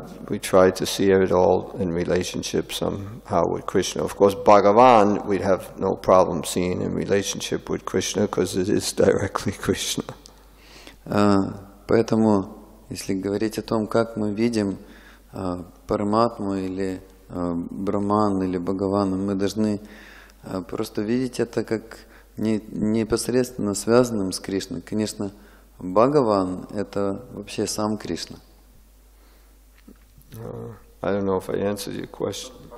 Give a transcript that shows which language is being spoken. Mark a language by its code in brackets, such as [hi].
[en] We try to see it all in relationship somehow with Krishna. Of course, Bhagavan, we'd have no problem seeing in relationship with Krishna, because it is directly Krishna. [ru] Поэтому, если говорить о том, как мы видим Параматму или Брахман или Бхагавана, мы должны просто видеть это как непосредственно связанным с Кришной. Конечно, Бхагаван – это вообще сам Кришна. [en] I don't know if I answered your question.